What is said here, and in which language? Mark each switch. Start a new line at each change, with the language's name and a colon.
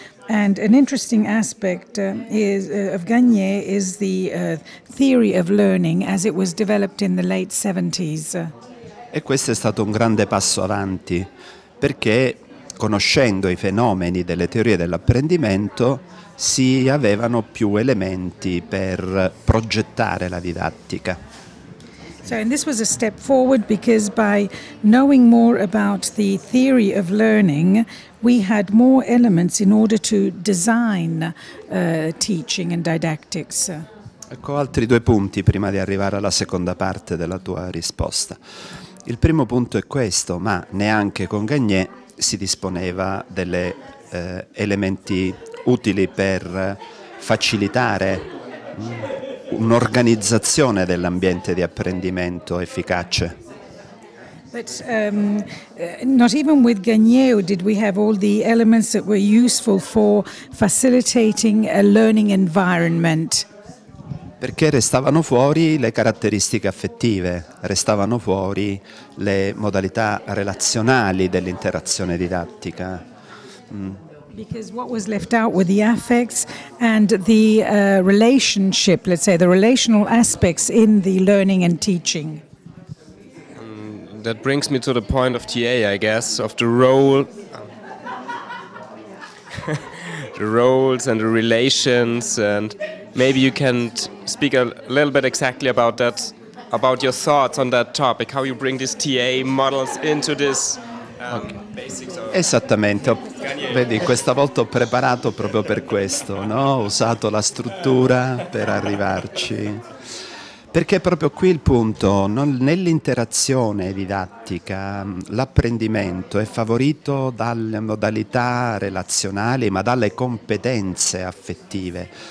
English: And an interesting aspect of Gagné is the theory of learning as it was developed in the late 70s.
Italian: E questo è stato un grande passo avanti, perché conoscendo i fenomeni delle teorie dell'apprendimento si avevano più elementi per progettare la didattica.
English: So, and this was a step forward because by knowing more about the theory of learning, we had more elements in order to design teaching and didactics.
Italian: Ecco altri due punti prima di arrivare alla seconda parte della tua risposta. Il primo punto è questo, ma neanche con Gagné si disponeva delle elementi utili per facilitare un'organizzazione dell'ambiente di apprendimento efficace.
English: But not even with Gagné did we have all the elements that were useful for facilitating a learning environment.
Italian: Perché restavano fuori le caratteristiche affettive, restavano fuori le modalità relazionali dell'interazione didattica.
English: Because what was left out were the affects and the relationship, let's say, the relational aspects in the learning and teaching. That brings me to the point of TA, I guess, of the role, the roles and the relations, and maybe you can speak a little bit exactly about that, about your thoughts on that topic, how you bring these TA models into this.
Italian: Esattamente, vedi, questa volta ho preparato proprio per questo, no? Ho usato la struttura per arrivarci. Perché è proprio qui il punto, nell'interazione didattica l'apprendimento è favorito dalle modalità relazionali ma dalle competenze affettive.